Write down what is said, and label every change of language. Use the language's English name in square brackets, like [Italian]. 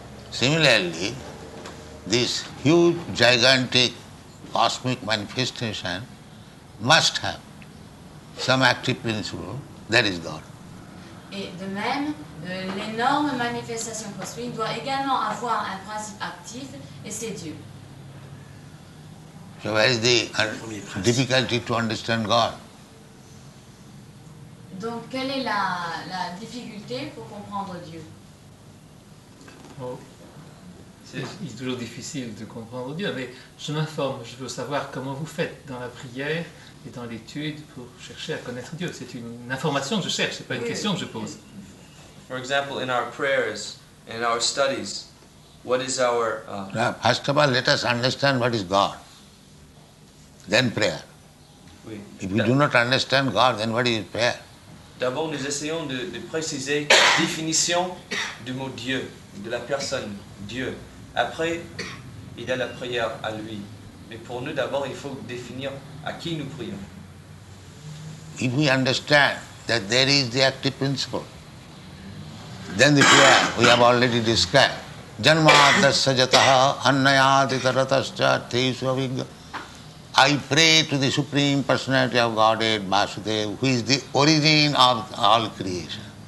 [English] Similarly, this huge, gigantic, cosmic manifestation must have some active principle. That is God. [French] Et de même, l'énorme manifestation cosmique doit également avoir un principe actif, et c'est Dieu. [English] So where is the difficulty to understand God? [French] Donc quelle est la difficulté pour comprendre Dieu? Oh, c'est toujours difficile de comprendre Dieu, mais je m'informe, je veux savoir comment vous faites dans la prière et dans l'étude pour chercher à connaître Dieu. C'est une information que je cherche, c'est pas une question que je pose. [English] For example, in our prayers, in our studies, what is our... First of all, let us understand what is God. Then prayer. [French] Oui. [English] If we do not understand God, then what is prayer? [French] D'abord, nous essayons de préciser la définition du mot Dieu, de la personne Dieu. Après, il y a la prière à lui. Mais pour nous, d'abord, il faut définir à qui nous prions. [English] If we understand that there is the active principle, then the prayer we have already described. [Sanskrit] Janmātasajataha annayātitaratascha teiswavigya. [English] I pray to the Supreme Personality of Godhead, Vasudeva, who is the origin of all creation.